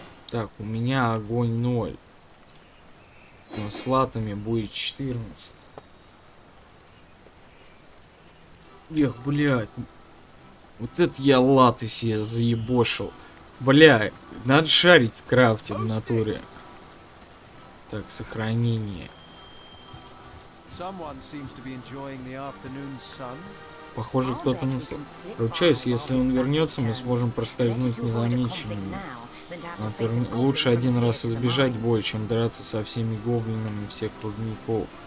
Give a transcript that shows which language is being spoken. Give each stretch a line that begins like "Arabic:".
Russian: Так, у меня огонь 0. Но с латами будет 14. Эх, блядь. Вот это я латы себе заебошил. Бля, надо шарить в крафте в натуре. Так, сохранение.
English: Someone seems to be enjoying the afternoon sun.
Russian: Похоже, кто-то нас... Ручаюсь, если он вернется, мы сможем проскользнуть незамеченными. Лучше один раз избежать боя, чем драться со всеми гоблинами всех клубников.